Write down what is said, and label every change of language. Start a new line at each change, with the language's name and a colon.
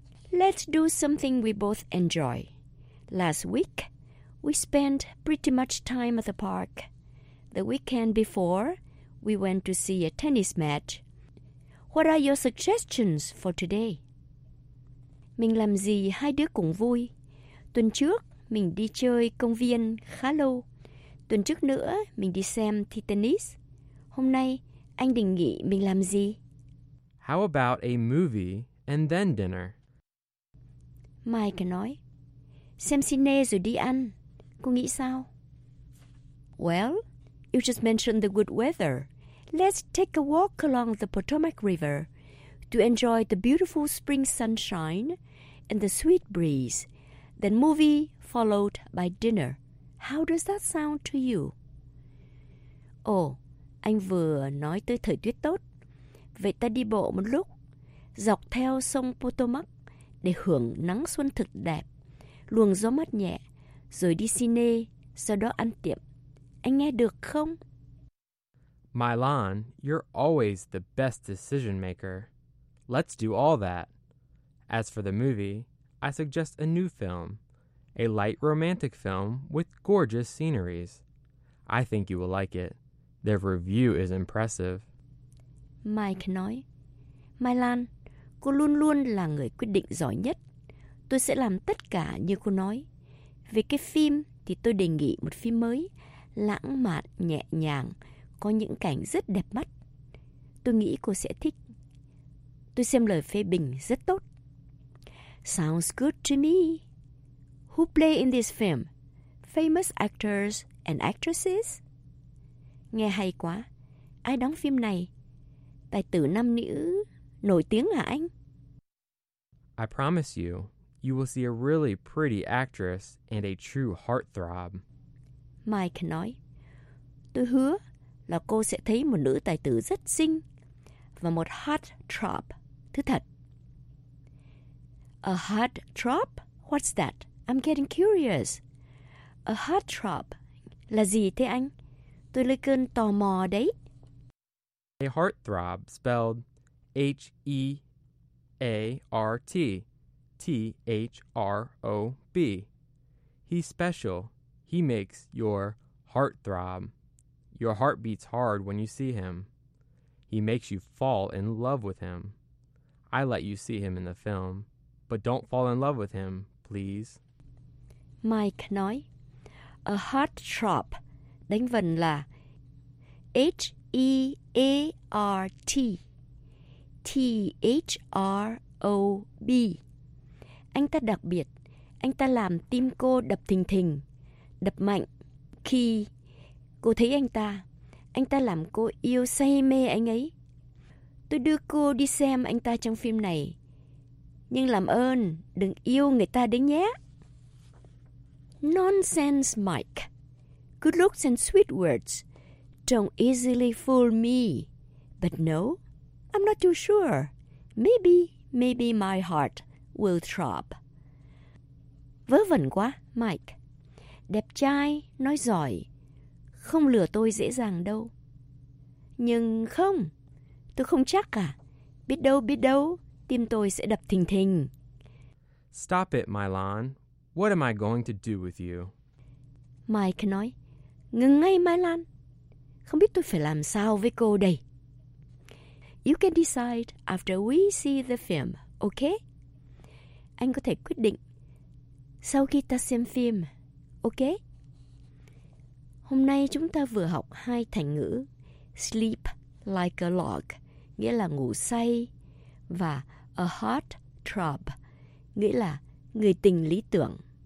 English: Let's do something we both enjoy. Last week, we spent pretty much time at the park. The weekend before, we went to see a tennis match. What are your suggestions for today?
Vietnamese: Mình làm gì hai đứa cũng vui. Tuần trước, mình đi chơi công viên khá lâu. Tuần trước nữa, mình đi xem thi tennis. Hôm nay, anh định nghĩ mình làm gì?
English: How about a movie and then dinner?
Vietnamese: Mike nói, xem cine rồi đi ăn. Cô nghĩ sao?
English: Well, you just mentioned the good weather. Let's take a walk along the Potomac River to enjoy the beautiful spring sunshine and the sweet breeze. Then movie followed by dinner. How does that sound to you?
Vietnamese: Oh, anh vừa nói tới thời tiết tốt. Vậy ta đi bộ một lúc, dọc theo sông Potomac để hưởng nắng xuân thực đẹp, luồng gió mát nhẹ, rồi đi cine, sau đó ăn tiệm. Anh nghe được không?
English: Mylan, you're always the best decision maker. Let's do all that. As for the movie, I suggest a new film, a light romantic film with gorgeous sceneries. I think you will like it. Their review is impressive.
Vietnamese: Mike nói, Mai Lan, cô luôn luôn là người quyết định giỏi nhất. Tôi sẽ làm tất cả như cô nói. Về cái phim thì tôi đề nghị một phim mới, lãng mạn, nhẹ nhàng, có những cảnh rất đẹp mắt. Tôi nghĩ cô sẽ thích. Tôi xem lời phê bình rất tốt.
English: Sounds good to me. Who play in this film? Famous actors and actresses?
Vietnamese: Nghe hay quá. Ai đóng phim này? Tài tử nam nữ nổi tiếng hả anh?
English: I promise you, you will see a really pretty actress and a true heartthrob.
Vietnamese: Mike nói, tôi hứa là cô sẽ thấy một nữ tài tử rất xinh và một heartthrob, thứ thật.
English: A heartthrob? What's that? I'm getting curious. A heartthrob
Vietnamese: là gì thế anh? Tôi lấy cơn tò mò đấy.
English: A heartthrob, spelled H-E-A-R-T-T-H-R-O-B. He's special. He makes your heart throb. Your heart beats hard when you see him. He makes you fall in love with him. I let you see him in the film, but don't fall in love with him, please.
Vietnamese: Mike nói, a heartthrob, đánh vần là H E A R T T H R O B. Anh ta đặc biệt, anh ta làm tim cô đập thình thình, đập mạnh khi cô thấy anh ta làm cô yêu say mê anh ấy. Tôi đưa cô đi xem anh ta trong phim này. Nhưng làm ơn đừng yêu người ta đấy nhé.
English: Nonsense, Mike. Good looks and sweet words don't easily fool me. But no, I'm not too sure. Maybe my heart will throb.
Vietnamese: Vớ vẩn quá, Mike. Đẹp trai, nói giỏi, không lừa tôi dễ dàng đâu. Nhưng không, tôi không chắc cả. Biết đâu, tim tôi sẽ đập thình thình.
English: Stop it, Mylan. What am I going to do with you?
Vietnamese: Mike nói, ngừng ngay, Mylan. Không biết tôi phải làm sao với cô đây.
English: You can decide after we see the film, okay?
Vietnamese: Anh có thể quyết định sau khi ta xem phim, okay? Hôm nay chúng ta vừa học hai thành ngữ
English: sleep like a log,
Vietnamese: nghĩa là ngủ say, và a heartthrob, nghĩa là người tình lý tưởng.